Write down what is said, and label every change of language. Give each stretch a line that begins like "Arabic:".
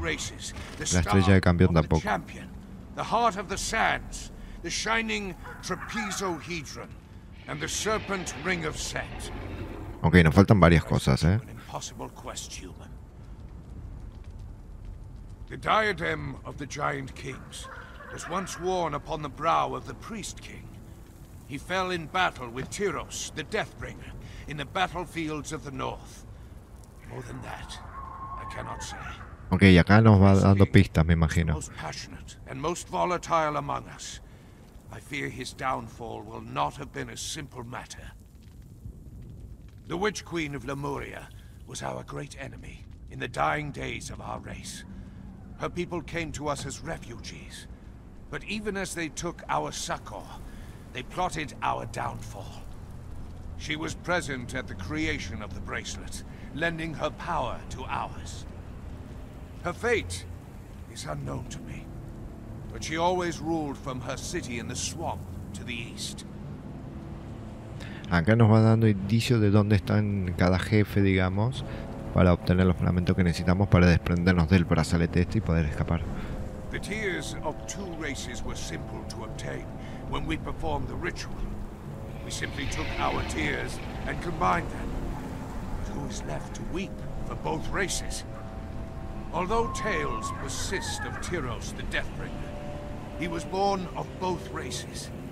Spanish: La estrella de campeón tampoco.
English: The heart of the sands, the shining trapezohedron, and the serpent ring of Set.
Spanish: Okay, nos faltan varias cosas, ¿eh?
English: Impossible quest, human. The diadem of the giant kings was once worn upon the brow of the priest king. He fell in battle with Tyros, the Deathbringer, in the battlefields of the north. More than that, I cannot say.
Spanish: Okay, y acá nos va dando pistas, me imagino.
English: Most passionate and most volatile among us. I fear his downfall will not have been a simple matter. The Witch Queen of Lemuria was our great enemy in the dying days of our race. Her people came to us as refugees. But even as they took our succor, they plotted our downfall. She was present at the creation of the bracelet, lending her power to ours. Her fate is unknown to me, but she always ruled from her city in the swamp to the east.
Spanish: Acá nos va dando indicios de dónde están cada jefe, digamos, para obtener los fragmentos que necesitamos para desprendernos del brazalete este y poder escapar.
English: The tears of two races were simple to obtain when we performed the ritual. We simply took our tears and combined them. But who is left to weep for both races? Although tales persist of Tyros, the Deathbringer, he was born of both races.